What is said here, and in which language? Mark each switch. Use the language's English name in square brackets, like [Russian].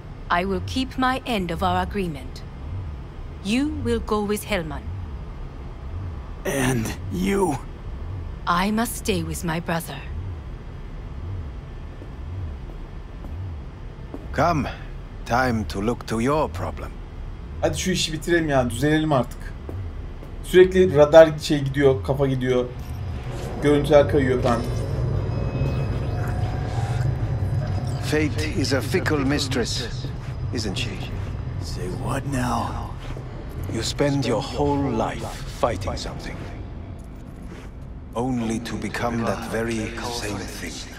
[English] I will keep my end of our agreement. You will go with Hellman. And you? I must stay with my brother. Come. Time to look to your problem. [Turkish] Hadi şu işi bitirelim ya, düzelelim artık. Sürekli radar şey gidiyor, kafa gidiyor. Görüntüler kayıyor falan. [English] Fate is a fickle mistress, isn't she? Say what now? You spend your whole life fighting something, only to become that very same thing.